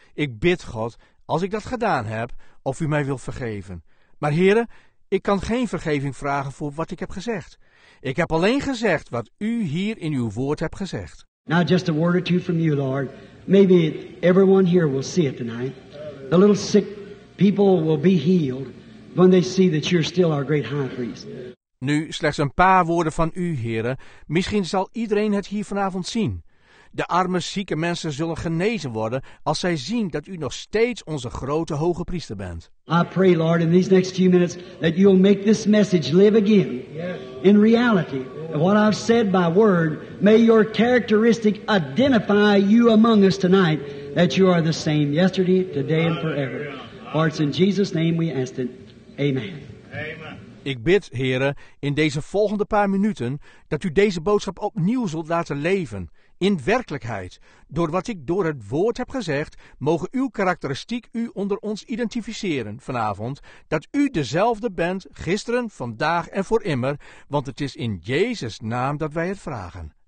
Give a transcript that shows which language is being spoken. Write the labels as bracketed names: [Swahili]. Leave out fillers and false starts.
[Dutch] Ik bid, God, als ik dat gedaan heb, of u mij wilt vergeven. Maar Heere, ik kan geen vergeving vragen voor wat ik heb gezegd. Ik heb alleen gezegd wat u hier in uw woord hebt gezegd. [English] Now just a word or two from you, Lord. Maybe everyone here will see it tonight. The little sick people will be healed when they see that you're still our great high priest. [Dutch] Nu slechts een paar woorden van u, Heere. Misschien zal iedereen het hier vanavond zien. De arme, zieke mensen zullen genezen worden als zij zien dat u nog steeds onze grote hoge priester bent. [English] I pray, Lord, in these next few minutes that you'll make this message live again. Yes. In reality, what I've said by word, may your characteristic identify you among us tonight, that you are the same yesterday, today and forever. For it's in Jesus' name we ask it. Amen. Amen. [Dutch] Ik bid, heren, in deze volgende paar minuten dat u deze boodschap opnieuw zult laten leven. In werkelijkheid, door wat ik door het woord heb gezegd, mogen uw karakteristiek u onder ons identificeren vanavond, dat u dezelfde bent, gisteren, vandaag en voor immer, want het is in Jezus' naam dat wij het vragen.